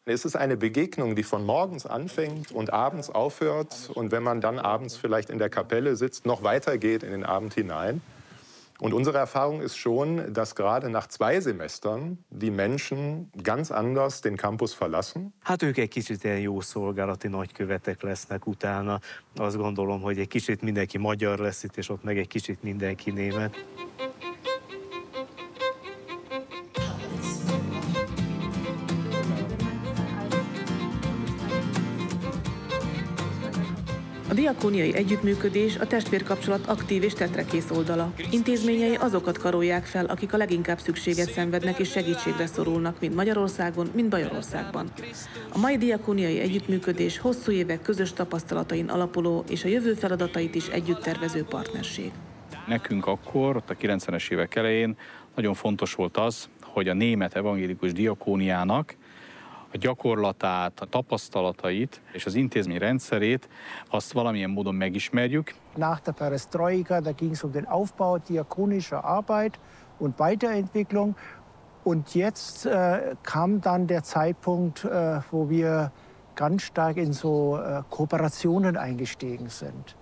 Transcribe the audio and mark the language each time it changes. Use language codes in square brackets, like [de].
[de] Es ist eine Begegnung, die von morgens anfängt und abends aufhört und wenn man dann abends vielleicht in der Kapelle sitzt, noch weitergeht in den Abend hinein. Und unsere Erfahrung ist schon, dass gerade nach zwei Semestern die Menschen ganz anders den Campus verlassen. [hu] Hát ők egy kicsit ilyen jó szolgálati nagykövetek lesznek utána. Azt gondolom, hogy egy kicsit mindenki magyar lesz itt, és ott meg egy kicsit mindenki német. A diakóniai együttműködés a testvérkapcsolat aktív és tettrekész oldala. Intézményei azokat karolják fel, akik a leginkább szükséget szenvednek és segítségre szorulnak, mint Magyarországon, mint Bajorországban. A mai diakóniai együttműködés hosszú évek közös tapasztalatain alapuló és a jövő feladatait is együtt tervező partnerség. Nekünk akkor, ott a 90-es évek elején nagyon fontos volt az, hogy a német evangélikus diakóniának a gyakorlatát, a tapasztalatait és az intézmény rendszerét azt valamilyen módon megismerjük. [de] Nach der Perestroika, da ging es um den Aufbau diakonischer Arbeit und Weiterentwicklung. Und jetzt kam dann der Zeitpunkt, wo wir ganz stark in so Kooperationen eingestiegen sind.